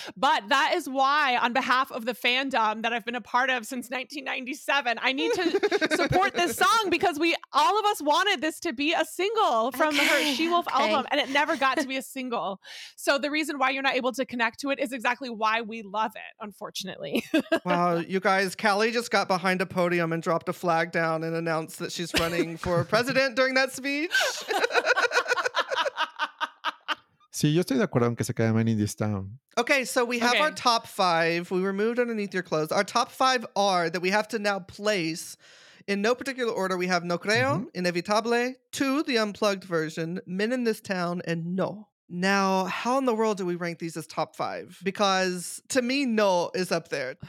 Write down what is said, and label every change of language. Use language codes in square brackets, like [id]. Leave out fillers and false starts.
[en] But that is why, on behalf of the fandom that I've been a part of since 1997, I need to support this song, because we all of us wanted this to be a single from her She-Wolf album, and it never got to be a single. So the reason why you're not able to connect to it is exactly why we love it, unfortunately. Wow, you guys, Callie just got behind a podium and dropped a flag down and announced that she's running for president during that speech. [es] Sí, yo estoy de acuerdo en que se quede Mine in This Town. [en] Okay, so we have our top five. We removed Underneath Your Clothes. Our top five are that we have to now place in no particular order. We have No Creo, Inevitable, Two, the unplugged version, Men in This Town, and No. Now, how in the world do we rank these as top five? Because to me, No is up there.